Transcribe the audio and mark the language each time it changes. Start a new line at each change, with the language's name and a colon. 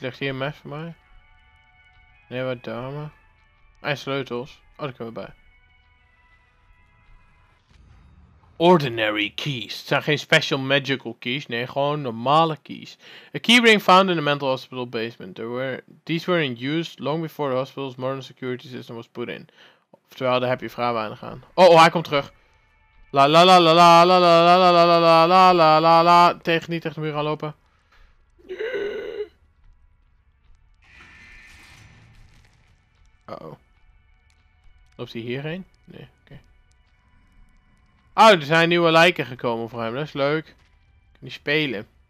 Dutch: Ligt hier een mes voor mij? Nee, wat dame. En sleutels. Oh, daar kunnen we bij.
English: Ordinary keys.
Dutch: Het zijn geen
English: special magical keys.
Dutch: Nee, gewoon normale keys.
English: A keyring found in a mental hospital basement. These were in use long before the hospital's modern security system was put in.
Dutch: Oftewel, daar heb je vrij weinig aan. Oh, hij komt terug. La la la la la la la la la la la la la la la la. Tegen niet tegen de muur gaan lopen. Uh-oh. Loopt hij hierheen? Nee. Oh, er zijn nieuwe lijken gekomen voor hem. Dat is leuk. Kun je spelen.